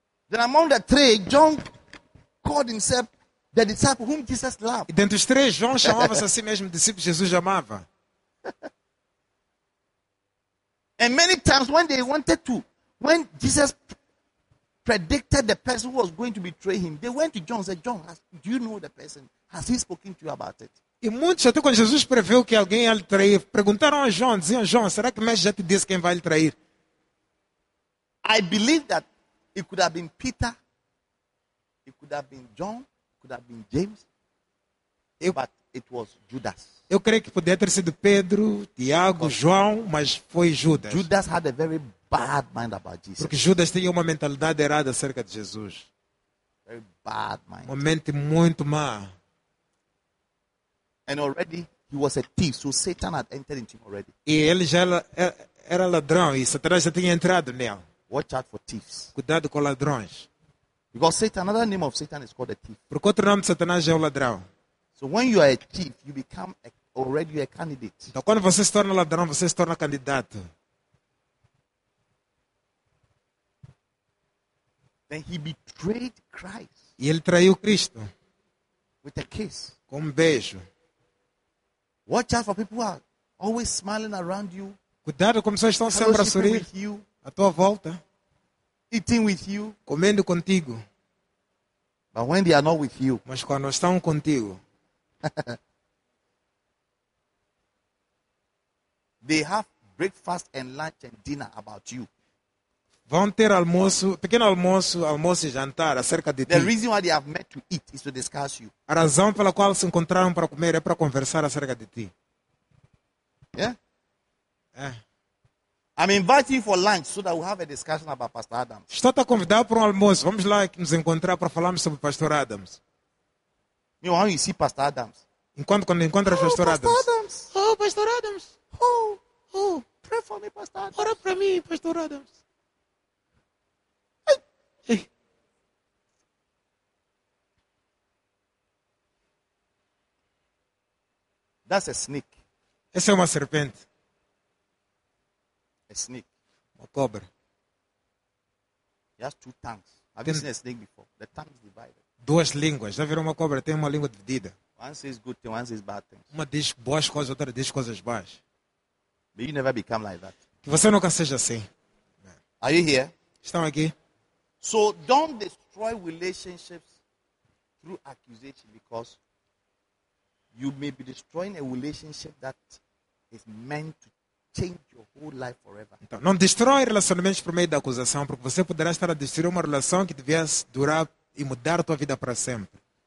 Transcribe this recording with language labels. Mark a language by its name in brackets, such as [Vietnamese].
[English] Then among the 3, John called himself the disciple whom Jesus loved. [Portuguese] E dentre os três, João chamava-se a si mesmo discípulo Jesus amava. [English] And many times when they wanted to, when Jesus predicted the person who was going to betray him, they went to John and said, John, do you know the person? Has he spoken to you about it? [Portuguese] E muitos, até quando Jesus previu que alguém ia lhe trair, perguntaram a João, diziam, João, será que o mestre já te disse quem vai lhe trair? [English] I believe that it could have been Peter, it could have been John, could have been James, but it was Judas. [Portuguese] Eu creio que poderia ter sido Pedro, Tiago, João, mas foi Judas. [English] Judas had a very bad mind about Jesus. [Portuguese] Porque Judas tinha uma mentalidade errada acerca de Jesus. [English] Very bad mind. [Portuguese] Uma mente muito má. [English] And already he was a thief, so Satan had entered into him already. [Portuguese] E ele já era ladrão e Satanás já tinha entrado nele. [English] Watch out for thieves. [Portuguese] Cuidado com ladrões. [English] Because Satan, another name of Satan is called a thief. [Portuguese] Porque outro nome de Satanás é o ladrão. [English] So when you are a thief, you become already a candidate. [Portuguese] Então quando você se torna ladrão, você se torna candidato. [English] Then he betrayed Christ. [Portuguese] E ele traiu Cristo. [English] With a kiss. [Portuguese] Com beijo. [English] Watch out for people who are always smiling around you. [Portuguese] Cuidado com pessoas que estão sempre a sorrir. À tua volta. [English] Eating with you, [Portuguese] comendo contigo. [English] But when they are not with you, [Portuguese] mas quando estão contigo, [English] they have breakfast and lunch and dinner about you. [Portuguese] Vão ter almoço, pequeno almoço, almoço e jantar acerca de [English] the [Portuguese] ti. [English] The reason why they have met to eat is to discuss you. [Portuguese] A razão pela qual se encontraram para comer é para conversar acerca de ti. [English] Yeah. [Portuguese] É. [English] I'm inviting you for lunch so that we'll have a discussion about Pastor Adams. [Portuguese] Estou a convidar para um almoço. Vamos lá nos encontrar para falarmos sobre Pastor Adams. [English] You know, when you see Pastor Adams. [Portuguese] Enquanto quando encontra oh, Pastor Adams. [English] Adams. Oh, Pastor Adams. Oh, oh. Pray for me, Pastor Adams. [Portuguese] Ora para mim, Pastor Adams. [English] Hey. That's a snake. [Portuguese] Essa é uma serpente. [English] A snake. [Portuguese] Uma cobra. [English] He has two tongues. Have you seen a snake before? The tongue is divided. [Portuguese] Duas línguas. Já viram uma cobra? Tem uma língua dividida. [English] One says good things, one says bad things. [Portuguese] Uma diz boas coisas, outra diz coisas boas. [English] But you never become like that. [Portuguese] Que você nunca seja assim. [English] Are you here? [Portuguese] Estão aqui? [English] So don't destroy relationships through accusation because you may be destroying a relationship that is meant to change your whole life forever. [Portuguese] Então, não destrói relacionamentos por meio da acusação, porque você poderá estar a destruir uma relação que devia durar e mudar a tua vida para sempre.